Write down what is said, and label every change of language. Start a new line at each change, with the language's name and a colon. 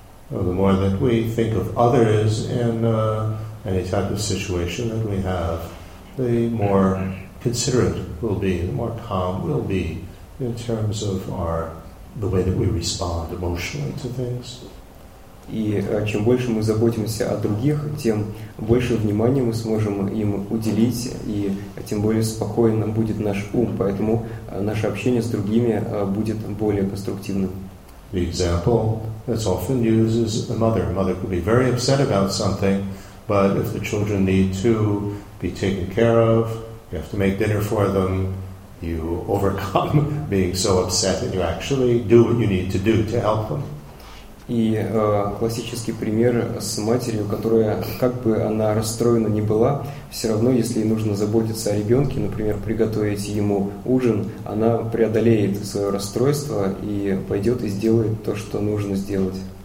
English: The more that we think of others in any type of situation that we have, the more considerate we'll be, the more calm we'll be in terms of the way that we respond emotionally to things.
Russian: И чем больше мы заботимся о других, тем больше внимания мы сможем им уделить, и тем более спокойным будет наш ум, поэтому наше общение с другими будет более конструктивным.
English: The example that's often used is a mother. A mother could be very upset about something, but if the children need to be taken care of, you have to make dinner for them, you overcome being so upset and you actually do what you need to do to help them.
Russian: И классический пример с матерью, которая, как бы она расстроена ни была, все равно, если ей нужно заботиться о ребенке, например, приготовить ему ужин, она преодолеет свое расстройство и пойдет и сделает то, что нужно сделать.